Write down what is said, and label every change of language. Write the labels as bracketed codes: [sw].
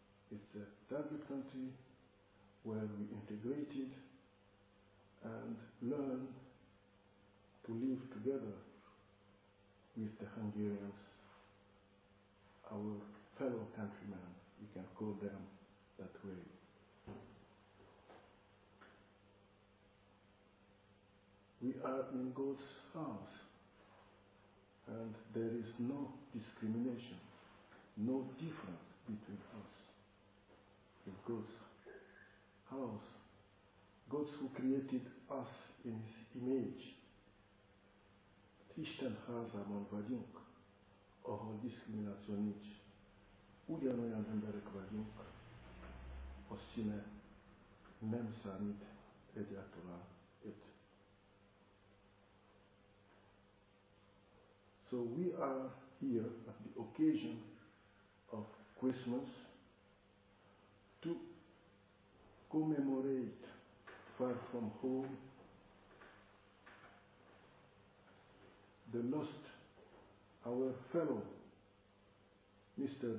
[en] It's a target country where we integrated and learned to live together with the Hungarians, our fellow countrymen, we can call them that way. We are in God's house, and there is no discrimination, no difference between us. In God's house, God who created us in His image, [hu] Isten házában vagyunk, ahol diszkrimináció nincs. Ugyanolyan emberek vagyunk, a színe nem számít egyáltalán itt. [en] So we are here at the occasion of Christmas to commemorate Far From Home, the lost, our fellow, Mr.